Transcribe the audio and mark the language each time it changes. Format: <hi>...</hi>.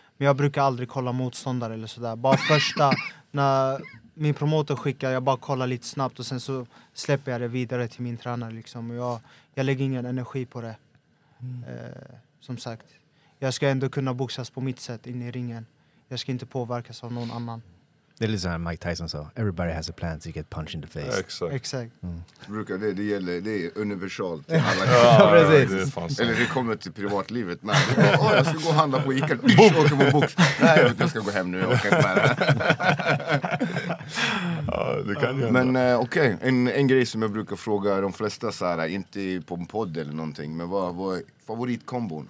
<sv>Men jag brukar aldrig kolla motståndare eller sådär. Bara första när min promotor skickar, jag bara kollar lite snabbt och sen så släpper jag det vidare till min tränare liksom. Och jag lägger ingen energi på det. Som sagt, jag ska ändå kunna boxas på mitt sätt in i ringen. Jag ska inte påverkas av någon annan. Det är lite som Mike Tyson sa.</sv> <en>Everybody has a plan to get punched in the face.</en> <sv>Exakt. Brukar det, det gäller, det är universalt. Eller det kommer till privatlivet. Men jag ska gå och handla på Ica. Och åka på box. Nej, jag ska gå hem nu. Det kan ju. Men okej, en grej som jag brukar fråga de flesta så här, inte på en podd eller någonting, men vad är favoritkombon?</sv>